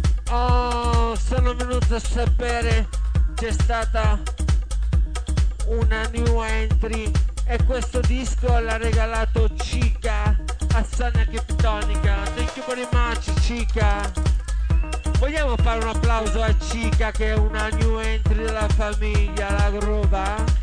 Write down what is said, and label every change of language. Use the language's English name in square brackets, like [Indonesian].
[Italian] Oh, sono venuto a sapere. C'è stata una new entry e questo disco l'ha regalato Chica a Sonia Kryptonica. [English] Thank you very much, Chica. [Italian] Vogliamo fare un applauso a Chica che è una new entry della famiglia La Groba?